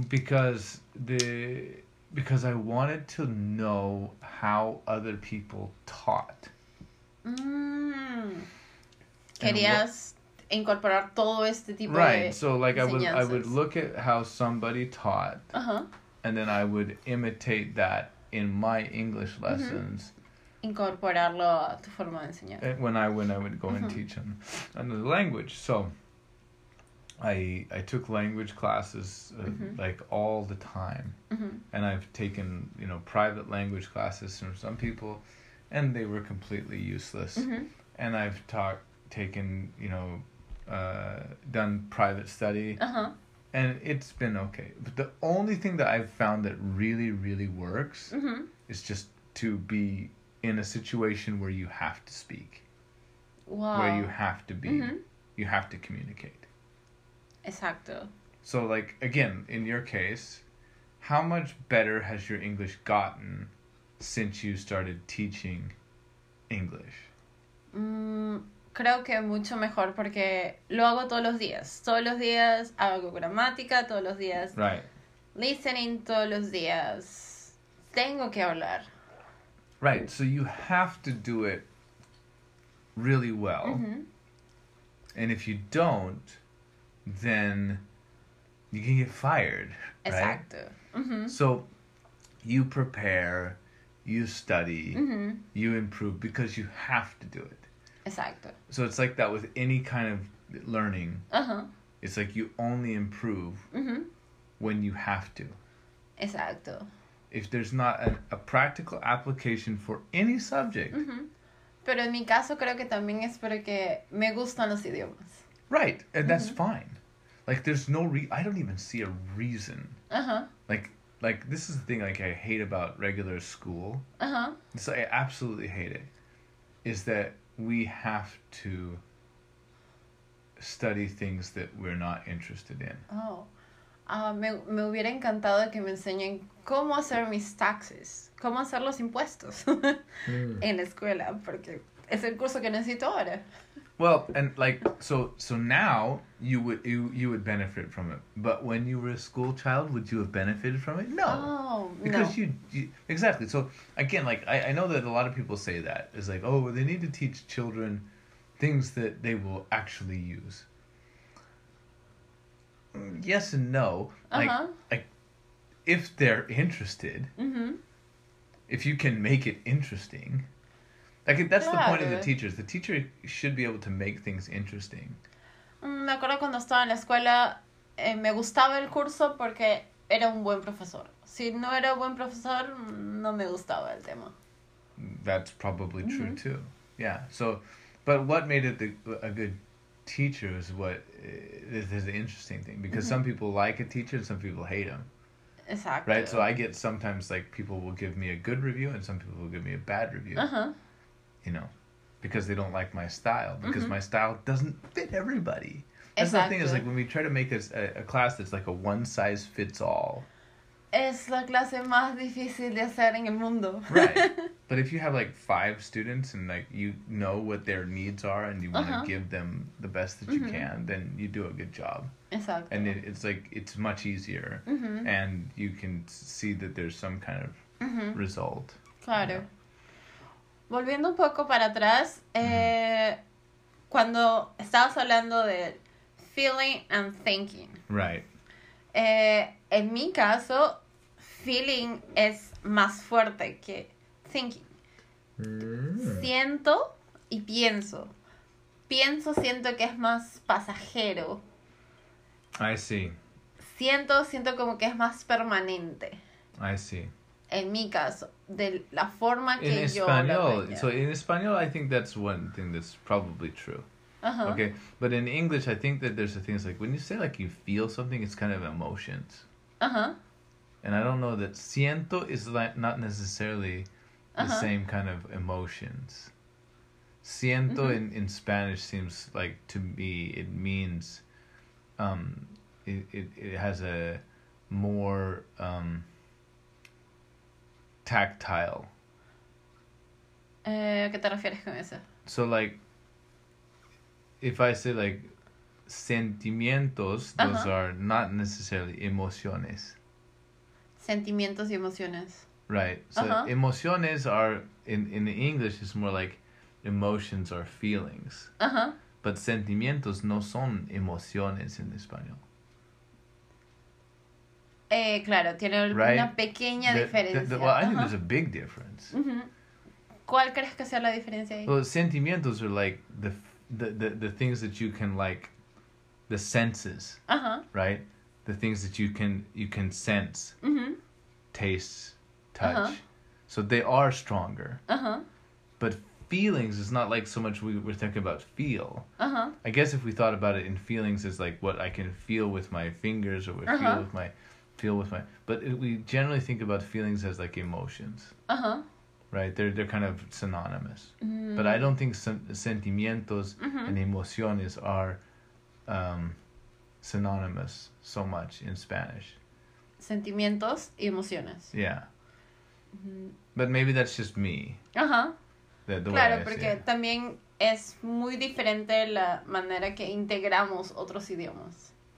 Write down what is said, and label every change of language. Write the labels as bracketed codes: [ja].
[en] Because I wanted to know how other people taught. [es] Querías incorporar todo este tipo [en] right. [es] de [en] Right, so like I would look at how somebody taught, and then I would imitate that in my English lessons. [es] Incorporarlo a tu forma de enseñar. [en] When I would go and teach them another language, so I took language classes like all the time, and I've taken, you know, private language classes from some people, and they were completely useless, and I've taken, you know, done private study, and it's been okay. But the only thing that I've found that really, really works is just to be in a situation where you have to speak, where you have to be, you have to communicate. [es] Exacto. [en] So, like, again, in your case, how much better has your English gotten since you started teaching English? [es] Creo que mucho mejor porque lo hago todos los días. Todos los días hago gramática, todos los días listening, todos los días tengo que hablar. [en] Right, so you have to do it really well. And if you don't, then you can get fired, right? [es] Exacto. [en] So you prepare, you study, you improve because you have to do it. [es] Exacto. [en] So it's like that with any kind of learning. It's like you only improve when you have to. [es] Exacto. [en] If there's not a practical application for any subject. [es] Pero en mi caso creo que también es porque me gustan los idiomas. [en] Right, and that's fine. Like, there's no I don't even see a reason. Like, this is the thing, like, I hate about regular school. So I absolutely hate it. Is that we have to study things that we're not interested in. [es] Me hubiera encantado que me enseñen cómo hacer mis [en] taxes. [es] Cómo hacer los impuestos. En la escuela. Porque es el curso que necesito ahora. [en] Well, and like, so now you would benefit from it. But when you were a school child, would you have benefited from it? No. Oh, because you exactly. So again, like I know that a lot of people say that. It's like, oh, they need to teach children things that they will actually use. Yes and no. Like if they're interested, if you can make it interesting. Like, that's the point of the teachers. The teacher should be able to make things interesting. [es] Me acuerdo cuando estaba en la escuela, me gustaba el curso porque era un buen profesor. Si no era buen profesor, no me gustaba el tema. [en] That's probably true, too. Yeah, so, But what made it a good teacher is this is the interesting thing. Because mm-hmm. some people like a teacher and some people hate him. Exactly. Right? So I get sometimes, like, people will give me a good review and some people will give me a bad review. Uh-huh. You know, because they don't like my style. Because mm-hmm. my style doesn't fit everybody. That's exactly. the thing is, like, when we try to make a class that's like a one-size-fits-all. [es] Es la clase más difícil de hacer en el mundo. [en] Right. But if you have, like, 5 students and, like, you know what their needs are and you want to uh-huh. give them the best that you mm-hmm. can, then you do a good job. Exactly. And it's, like, it's much easier. Mm-hmm. And you can see that there's some kind of mm-hmm. result. [es] Claro. [en] Yeah. [es] Volviendo un poco para atrás, mm-hmm. cuando estabas hablando de [en] feeling and thinking. Right. [es] En mi caso, feeling es más fuerte que thinking. Siento y pienso. Pienso, siento que es más pasajero. [en] I see. [es] Siento como que es más permanente. [en] I see. [es] En mi caso, de la forma que [en] in [es] yo [en] español, so in español, I think that's one thing that's probably true. Uh-huh. Okay, but in English, I think that there's a thing, it's like, when you say, like, you feel something, it's kind of emotions. Uh-huh. And I don't know that siento is, like, not necessarily uh-huh. the same kind of emotions. Siento mm-hmm. in Spanish seems like, to me, it means, it has a more, tactile. [es] ¿Qué te refieres con eso? [en] So, like, if I say, like, sentimientos, those uh-huh. are not necessarily emociones. [es] Sentimientos y emociones. [en] Right. So uh-huh. emociones are, in English, it's more like emotions or feelings. Uh-huh. But [es] sentimientos no son emociones en español. Claro, tiene [en] right? [es] una pequeña diferencia. [en] Well, I uh-huh. think there's a big difference. Uh-huh. [es] ¿Cuál crees que sea la diferencia ahí? [en] Well, sentimientos are like the things that you can, like, the senses, uh-huh. right? The things that you can sense, mm-hmm. taste, touch. Uh-huh. So they are stronger. Uh-huh. But feelings is not like so much we're talking about feel. Uh-huh. I guess if we thought about it in feelings is like what I can feel with my fingers or uh-huh. feel with my. But we generally think about feelings as like emotions. Uh-huh. Right, they're kind of synonymous. Mm. But I don't think sentimientos mm-hmm. and emociones are synonymous so much in Spanish. [es] Sentimientos y emociones. [en] Yeah. Mm-hmm. But maybe that's just me. Uh-huh. The [es] claro, [en] way I [es] porque [en] say it. [es] También es muy diferente la manera que integramos otros idiomas.